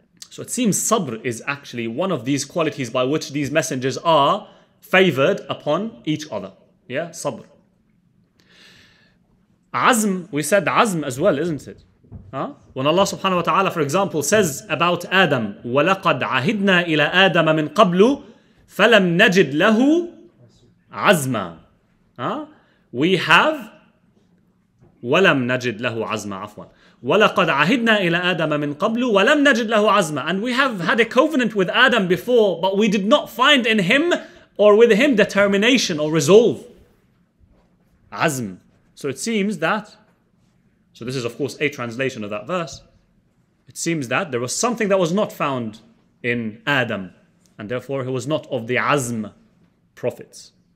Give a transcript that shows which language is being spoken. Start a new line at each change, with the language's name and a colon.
English: So it seems sabr is actually one of these qualities by which these messengers are favored upon each other. Yeah, sabr. Azm, we said azm as well, isn't it? When Allah subhanahu wa ta'ala, for example, says about Adam,
Arabic: وَلَقَدْ عَهِدْنَا إِلَىٰ آدَمَ مِنْ قَبْلُ فَلَمْ نَجِدْ لَهُ عَزْمًا.
English: We have
Arabic: وَلَمْ نَجِدْ لَهُ عَزْمًا عَفْوًا. وَلَقَدْ عَهِدْنَا إِلَىٰ آدَمَ مِنْ قَبْلُ وَلَمْ نَجِدْ لَهُ عَزْمًا.
English: And we have had a covenant with Adam before, but we did not find in him or with him determination or resolve.
Arabic: عزم.
English: So it seems that, so this is of course a translation of that verse, it seems that there was something that was not found in Adam, and therefore he was not of the عزم prophets.